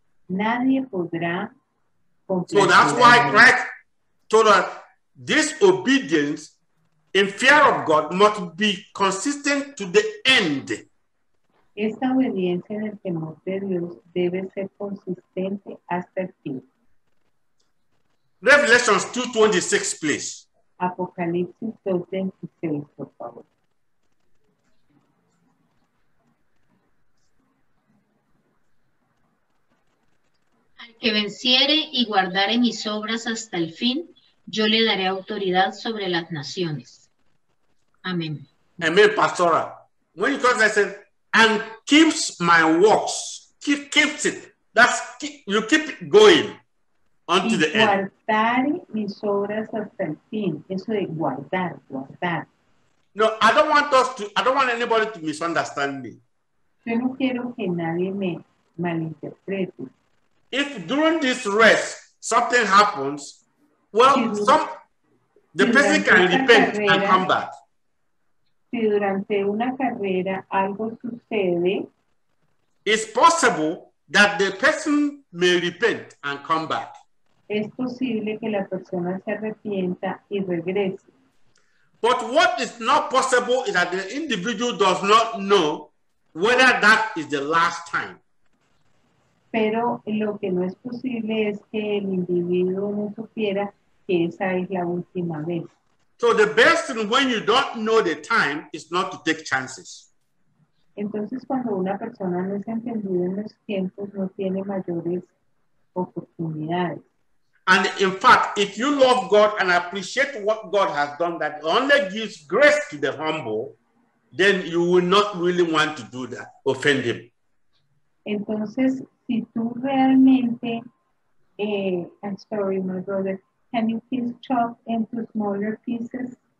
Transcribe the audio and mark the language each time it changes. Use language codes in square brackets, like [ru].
[es] Nadie podrá [en] complacer. So that's why Christ told us this obedience in fear of God must be consistent to the end. [es] Esta obediencia en el temor de Dios debe ser consistente hasta el fin. [en] Revelation 2:26, please. [es] Apocalipsis 2:26, por favor. Al que venciere y guardare mis obras hasta el fin, yo le daré autoridad sobre las naciones. Amén. Amén, pastora. [en] When you come to listen, and keeps my works, keeps it. That's you keep it going until the end. [es] Guardare mis obras hasta el fin. Eso de guardar, guardar. [en] No, I don't want anybody to misunderstand me. [es] Yo no quiero que nadie me malinterprete. [en] If during this rest something happens, well, the person can repent and come back. [es] Si durante una carrera algo sucede, [en] it's possible that the person may repent and come back. [es] Es posible que la persona se arrepienta y regrese. [en] But what is not possible is that the individual does not know whether that is the last time. [es] Pero lo que no es posible es que el individuo no supiera que esa es la última vez. [en] So the best thing when you don't know the time is not to take chances. [es] Entonces cuando una persona no es entendida en los tiempos, no tiene mayores oportunidades. [en] And in fact, if you love God and appreciate what God has done, that only gives grace to the humble, then you will not really want to do that, offend him. [es] Entonces, si tú realmente, [en] I'm sorry, my brother, can you please chop into smaller pieces?